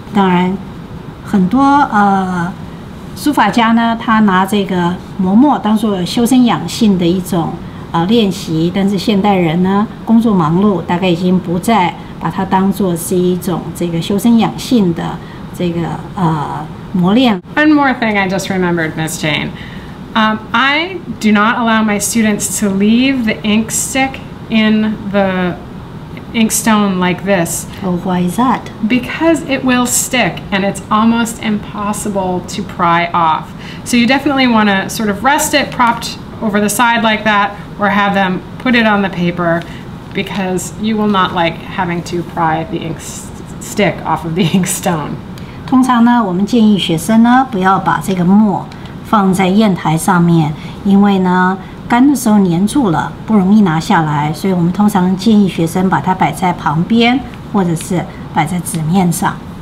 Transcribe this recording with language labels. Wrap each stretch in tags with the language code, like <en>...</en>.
<zh>当然，很多书法家呢，他拿这个磨墨当做修身养性的一种练习，但是现代人呢，工作忙碌，大概已经不再把它当作是一种这个修身养性的这个磨练。</zh> <en>One more thing I just remembered, Miss Jane. I do not allow my students to leave the ink stick in the ink stone like this. Oh, why is that? Because it will stick and it's almost impossible to pry off. So you definitely want to sort of rest it propped over the side like that, or have them put it on the paper, because you will not like having to pry the ink stick off of the ink stone.</en> <zh>通常呢，我们建议学生呢不要把这个墨放在砚台上面，因为呢干的时候粘住了，不容易拿下来。所以我们通常建议学生把它摆在旁边，或者是摆在纸面上。</zh>